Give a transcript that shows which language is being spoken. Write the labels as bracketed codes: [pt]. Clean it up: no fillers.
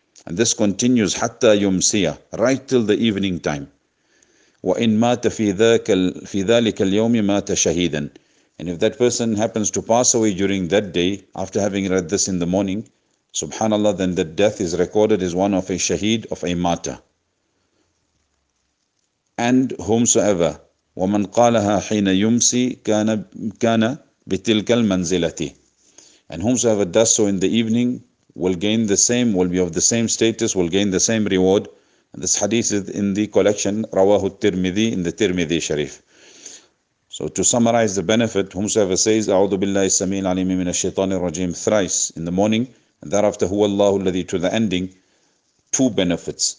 [en] And this continues [ar] hatta yumsiya, [en] right till the evening time. [ar] Wa in mata fi dhalika al-yawm mata shahidan. [en] And if that person happens to pass away during that day, after having read this in the morning, subhanallah, then the death is recorded as one of a shaheed, of a martyr. And whomsoever, [ar] وَمَنْ قَالَهَا حِينَ يُمْسِي كَانَ بِتِلْكَ الْمَنْزِلَةِ. [en] And whomsoever does so in the evening will gain the same, will be of the same status, will gain the same reward. And this hadith is in the collection, [ar] رَوَاهُ التِّرْمِذِي, [en] in the Tirmidhi Sharif. So to summarize the benefit, whomsoever says, [ar] A'udhu billahi as-sami'il alim min ash-shaytanir rajim [en] thrice in the morning, and thereafter, [ar] huwallahu alladhi [en] to the ending, two benefits.